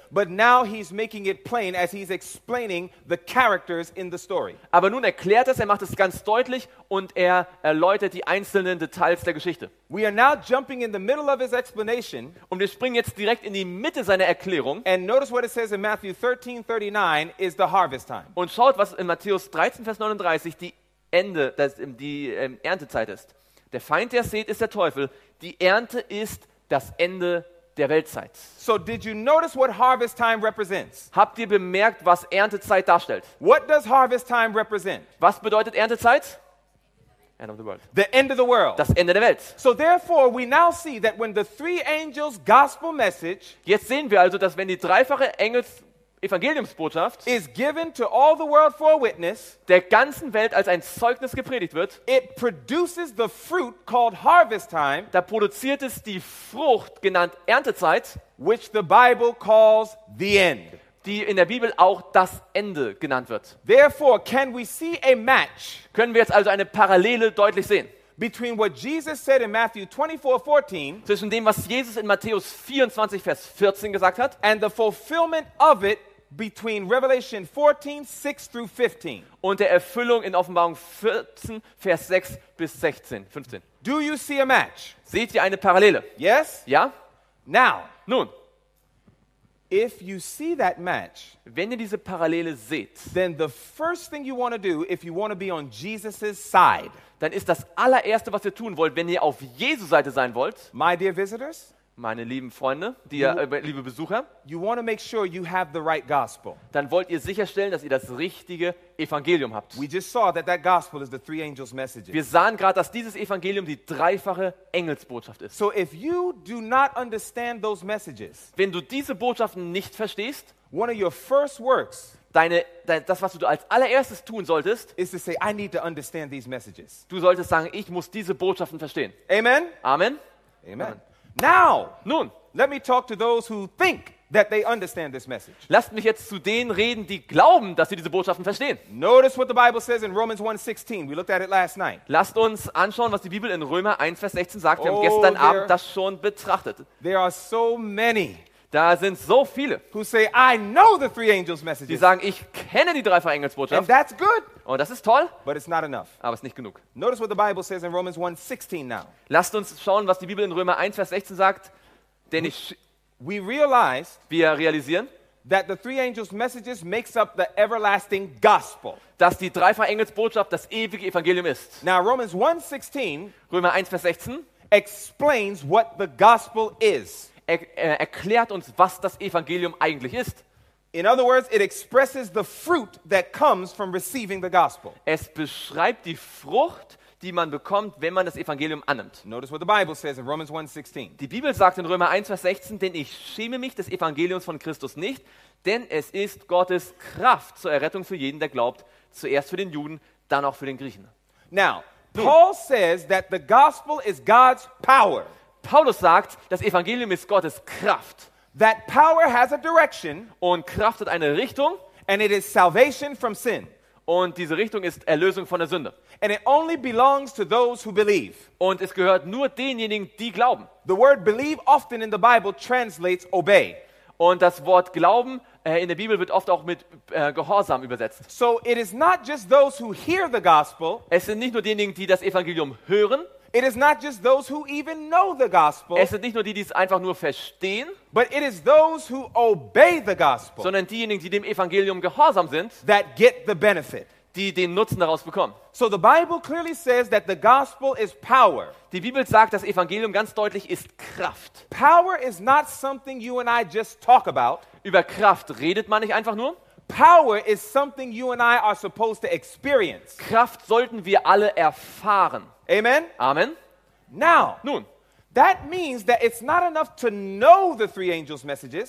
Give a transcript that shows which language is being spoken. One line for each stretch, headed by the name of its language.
English: But now he's making it plain as he's explaining the characters in the story.
German: Aber nun erklärt er macht es ganz deutlich und er erläutert die einzelnen Details der Geschichte.
English: We are now jumping in the middle of his explanation.
German: Und wir springen jetzt direkt in die Mitte seiner Erklärung.
English: And notice what it says in Matthew 13:39 is the harvest time.
German: Und schaut, was in Matthäus 13, Vers 39 die Ende, die Erntezeit ist. Der Feind, der sät, ist der Teufel. Die Ernte ist das Ende der Weltzeit.
English: So did you notice what harvest time represents?
German: Habt ihr bemerkt, was Erntezeit darstellt?
English: What does harvest time represent?
German: Was bedeutet Erntezeit?
English: End of the world. The end of the world.
German: Das Ende der Welt.
English: So therefore we now see that when the three angels' gospel message,
German: jetzt sehen wir also, dass wenn die dreifache Engels Evangeliumsbotschaft,
English: is given to all the world for a witness,
German: der ganzen Welt als ein Zeugnis gepredigt wird,
English: it produces the fruit called harvest time,
German: da produziert es die Frucht genannt Erntezeit,
English: which the Bible calls the end,
German: die in der Bibel auch das Ende genannt wird.
English: Therefore, can we see a match?
German: Können wir jetzt also eine Parallele deutlich sehen?
English: Between what Jesus said in Matthew 24:14,
German: zwischen dem, was Jesus in Matthäus 24 Vers 14 gesagt hat,
English: and the fulfillment of it between Revelation 14:6 through 15,
German: und der Erfüllung in Offenbarung 14 Vers 6 bis 16, 15.
English: Do you see a match?
German: Seht ihr eine Parallele?
English: Yes.
German: Ja.
English: Now.
German: Nun.
English: If you see that match,
German: wenn ihr diese Parallele seht,
English: then the first thing you want to do if you want to be on Jesus's side,
German: dann ist das allererste, was ihr tun wollt, wenn ihr auf Jesu Seite sein wollt,
English: my dear visitors,
German: meine lieben Freunde, die liebe Besucher,
English: you want to make sure you have the right gospel.
German: Dann wollt ihr sicherstellen, dass ihr das richtige Evangelium habt.
English: We just saw that that gospel is the three angels' messages.
German: Wir sahen gerade, dass dieses Evangelium die dreifache Engelsbotschaft ist.
English: So if you do not understand those messages,
German: wenn du diese Botschaften nicht verstehst,
English: one of your first works,
German: das, was du als allererstes tun solltest,
English: is to say, I need to understand these messages.
German: Du solltest sagen, ich muss diese Botschaften verstehen.
English: Amen.
German: Amen.
English: Amen. Amen. Now,
German: nun,
English: let me talk to those who think that they understand this message.
German: Lasst mich jetzt zu denen reden, die glauben, dass sie diese Botschaften verstehen.
English: Notice what the Bible says in Romans 1:16. We looked at it last night.
German: Lasst uns anschauen, was die Bibel in Römer 1, Vers 16 sagt. Wir haben gestern Abend das schon betrachtet.
English: There are so many.
German: Da sind so viele,
English: who say, I know the three angels' messages.
German: Die sagen, ich kenne die dreifache Engelsbotschaft.
English: And that's good.
German: Und das ist toll.
English: But it's not enough.
German: Aber es ist nicht genug.
English: Notice what the Bible says in Romans 1:16 now.
German: Lasst uns schauen, was die Bibel in Römer 1, Vers 16 sagt. Denn wir realisieren,
English: that the three angels' messages makes up the everlasting gospel.
German: Dass die dreifache Engelsbotschaft das ewige Evangelium ist.
English: Now Romans 1:16,
German: Römer 1, Vers 16,
English: explains what the gospel is.
German: Erklärt uns, was das Evangelium eigentlich ist.
English: In other words, it expresses the fruit that comes from receiving the gospel.
German: Es beschreibt die Frucht, die man bekommt, wenn man das Evangelium annimmt.
English: Notice what the Bible says in Romans 1:16.
German: Die Bibel sagt in Römer 1, Vers 16, denn ich schäme mich des Evangeliums von Christus nicht, denn es ist Gottes Kraft zur Errettung für jeden, der glaubt, zuerst für den Juden, dann auch für den Griechen.
English: Now, Paul says that the gospel is God's power.
German: Paulus sagt, das Evangelium ist Gottes Kraft.
English: That power has a direction,
German: und Kraft hat eine Richtung,
English: and it is salvation from sin.
German: Und diese Richtung ist Erlösung von der Sünde.
English: And it only belongs to those who believe.
German: Und es gehört nur denjenigen, die glauben.
English: The word believe often in the Bible translates obey.
German: Und das Wort glauben in der Bibel wird oft auch mit Gehorsam übersetzt.
English: So it is not just those who hear the gospel.
German: Es sind nicht nur diejenigen, die das Evangelium hören.
English: It is not just those who even know the gospel.
German: Es sind nicht nur die, die es einfach nur verstehen,
English: but it is those who obey the gospel.
German: Sondern diejenigen, die dem Evangelium gehorsam sind,
English: that get the benefit.
German: Die den Nutzen daraus bekommen.
English: So the Bible clearly says that the gospel is power.
German: Die Bibel sagt, das Evangelium ganz deutlich ist Kraft.
English: Power is not something you and I just talk about.
German: Über Kraft redet man nicht einfach nur.
English: Power is something you and I are supposed to experience.
German: Kraft sollten wir alle erfahren.
English: Amen.
German: Amen.
English: Now,
German: nun,
English: that means that it's not enough to know the three angels' messages.